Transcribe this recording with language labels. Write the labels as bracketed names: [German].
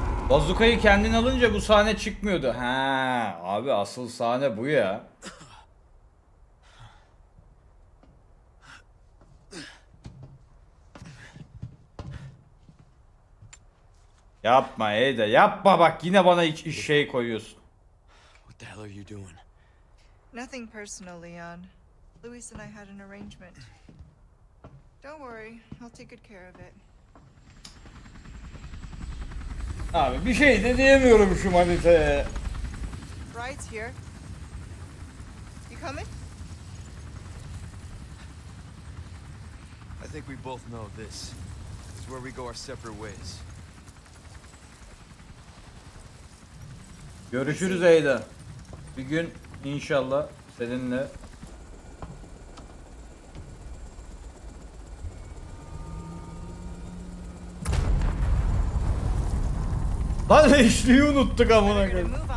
[Turkish] Bazukayı kendin alınca bu sahne çıkmıyordu. He, abi asıl sahne bu ya. Yapma Ada, yapma bak yine bana iş şey koyuyorsun. [English] What the hell are you doing? Nothing personal, Leon. Luis and I had an arrangement. Don't worry, I'll take good care of it. [Turkish] Abi bir şey de diyemiyorum şu maniteye. [English] Bright here. You coming? I think we both know this. This is where we go our separate ways. [Turkish] Görüşürüz Ada. Bir gün inşallah seninle. Lan eşliği unuttuk amına koyayım.